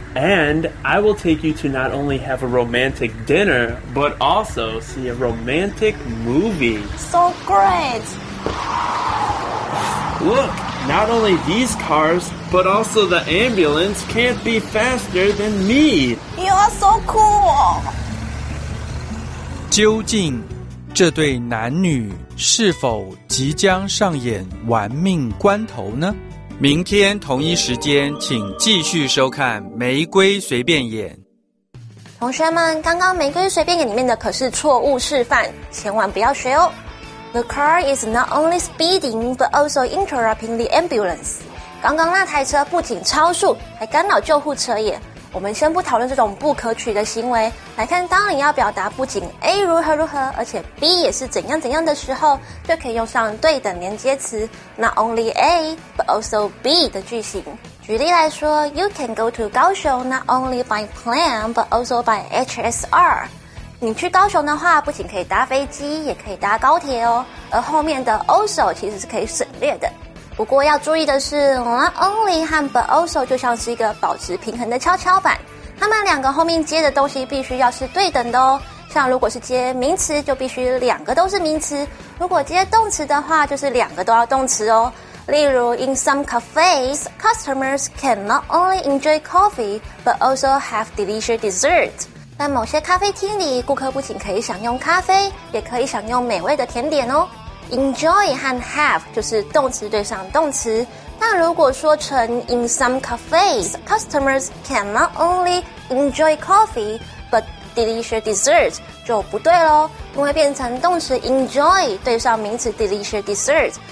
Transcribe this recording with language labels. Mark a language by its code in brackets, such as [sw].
[en] And I will take you to not only have a romantic dinner, but also see a romantic movie. So great. Look, not only these cars, but also the ambulance can't be faster than me. You are so cool. [zh] 究竟这对男女是否即将上演玩命关头呢？明天同一时间请继续收看《玫瑰随便演》。同学们，刚刚《玫瑰随便演》里面的可是错误示范，千万不要学哦。 [en] The car is not only speeding but also interrupting the ambulance. [zh] 刚刚那台车不仅超速还干扰救护车耶。我们先不讨论这种不可取的行为，来看当你要表达不仅 A 如何如何，而且 B 也是怎样怎样的时候，就可以用上对等连接词 not only A but also B 的句型。举例来说 [en] ，You can go to 高雄 not only by plane but also by HSR。 [zh] 你去高雄的话，不仅可以搭飞机，也可以搭高铁哦。而后面的 also 其实是可以省略的。不过要注意的是 not only 和 but also 就像是一个保持平衡的跷跷板，它们两个后面接的东西必须要是对等的哦。像如果是接名词就必须两个都是名词，如果接动词的话就是两个都要动词哦。例如 [en] in some cafes customers can not only enjoy coffee but also have delicious dessert。 [zh] 在某些咖啡厅里，顾客不仅可以享用咖啡，也可以享用美味的甜点哦。 Enjoy 和 have 就是动词对上动词，那如果说成 [en] In some cafes customers can not only enjoy coffee but delicious dessert [zh] 就不对咯，因为变成动词 enjoy 对上名词 delicious dessert，